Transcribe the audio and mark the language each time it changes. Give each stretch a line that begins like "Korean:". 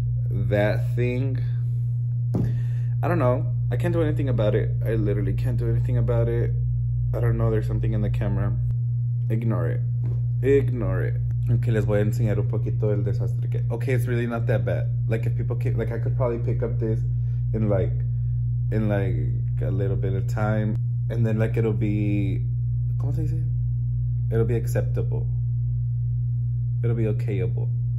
English: That thing, I don't know. I can't do anything about it. I literally can't do anything about it. I don't know. There's something in the camera. Ignore it. Ignore it.
Spanish: Okay, les voy a enseñar un poquito el desastre que.
English: Okay, it's really not that bad. Like if people keep, like I could probably pick up this in like a little bit of time, and then like it'll be,
Spanish: ¿cómo se dice?
English: It'll be acceptable. It'll be okayable.